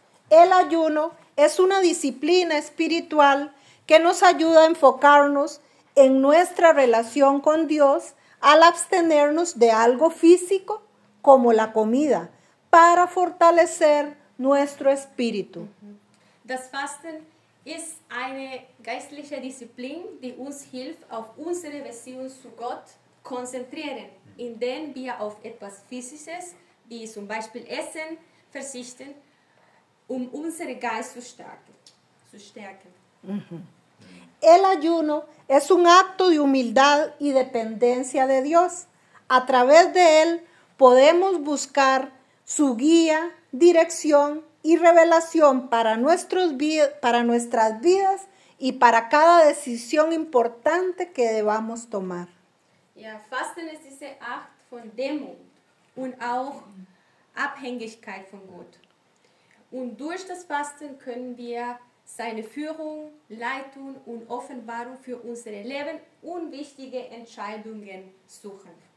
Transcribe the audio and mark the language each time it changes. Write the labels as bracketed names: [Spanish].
[Spanish] El ayuno es una disciplina espiritual que nos ayuda a enfocarnos en nuestra relación con Dios al abstenernos de algo físico como la comida para fortalecer nuestro espíritu. [German] Das Fasten ist eine geistliche Disziplin, die uns hilft, auf unsere Beziehung zu Gott zu konzentrieren, indem wir auf etwas Physisches, wie zum Beispiel Essen, verzichten, um unseren Geist zu stärken. [Spanish] El ayuno es un acto de humildad y dependencia de Dios. A través de él podemos buscar su guía, dirección y revelación para nuestras vidas y para cada decisión importante que debamos tomar. [German] Ja, Fasten ist diese Art von Demut und auch Abhängigkeit von Gott. Und durch das Fasten können wir seine Führung, Leitung und Offenbarung für unser Leben und wichtige Entscheidungen suchen.